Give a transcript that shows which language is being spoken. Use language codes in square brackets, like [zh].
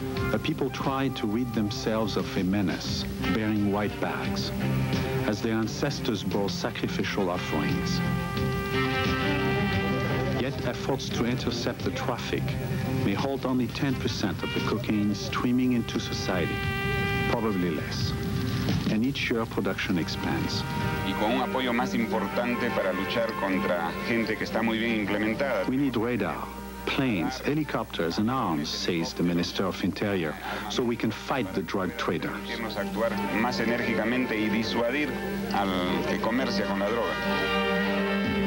[en] The people try to rid themselves of a menace bearing white bags, as their ancestors bore sacrificial offerings. Yet a efforts to intercept the traffic may hold only 10% of the cocaine streaming into society, probably less. And each year, production expands. [es] Y con un apoyo más importante para luchar contra gente que está muy bien implementada. [en] We need radar, planes, helicopters, and arms, says the Minister of Interior, so we can fight the drug traders. [es] Queremos actuar más enérgicamente y disuadir al que comercia con la droga.